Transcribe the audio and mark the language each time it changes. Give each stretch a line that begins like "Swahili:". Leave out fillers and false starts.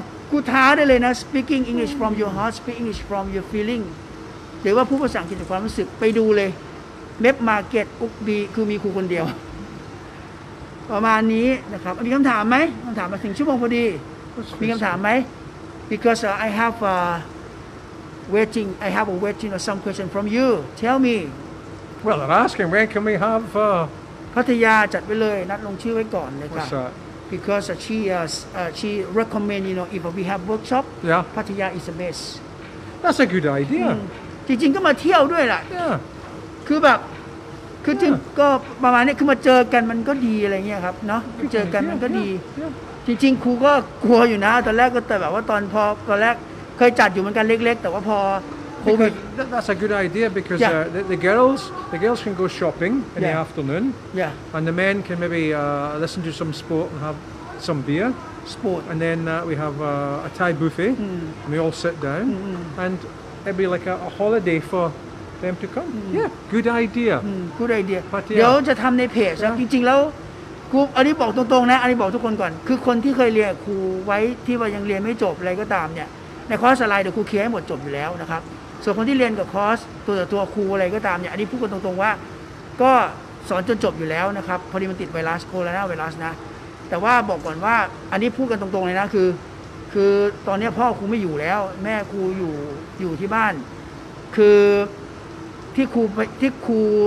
Thai: ครูท้าได้เลยนะ
English: speaking English from your heart speak English from your feeling
Thai: หรือว่าผู้ภาษาอังกฤษจากความรู้สึกไปดูเลย Map Market อุกบีคือมีครูคนเดียวประมาณนี้นะครับมีคำถามไหมคำถามมาถึงชั่วโมงพอดีมีคำถามไหม
English: because I have a waiting I have a waiting or some question from you tell me Well, they're asking when can we have
Thai: Pattaya จัดไปเลยนัดลงชื่อไว้ก่อนเลยค่ ะ
English: because she recommend you know if we have workshop yeah Pattaya is the best that's a good idea
Thai: จริงๆก็มาเที่ยวด้วยล่ะ
English: yeah
Thai: คือแบบคือจริงก็ประมาณนี้คือมาเจอกันมันก็ดีอะไรเงี้ยครับเนาะเจอกันมันก็ดีจริงๆครูก็กลัวอยู่นะตอนแรกก็แต่แบบว่าตอนแรกเคยจัดอยู่เหมือนกันเล็กๆแต่ว่าพอ
English: Because that's a good idea because yeah. the girls can go shopping in yeah. the afternoon yeah. and the men can maybe listen to some sport and have some beer sport and then we have a Thai buffet mm. and we all sit down mm-hmm. and it'd be like a holiday for them to come mm. yeah good idea mm. good idea but
Thai: เดี๋ยวจะทำในเพจแล้วจริงๆแล้วครูอันนี้บอกตรงๆนะอันนี้บอกทุกคนก่อนคือคนที่เคยเรียนครูไว้ที่ว่ายังเรียนไม่จบอะไรก็ตามเนี่ยในคอร์สไลน์เดี๋ยวครูเคลียร์ให้หมดจบอยู่แล้วนะครับส่วนคนที่เรียนกับคอร์สตัวต่อตัวครูอะไรก็ตามเนี่ยอันนี้พูดกันตรงๆว่าก็สอนจนจบอยู่แล้วนะครับพอดีมันติดไวรัสโคโรนาไวรัสนะแต่ว่าบอกก่อนว่าอันนี้พูดกันตรงๆเลยนะคือตอนนี้พ่อครูไม่อยู่แล้วแม่ครูอยู่ที่บ้านคือที่ครู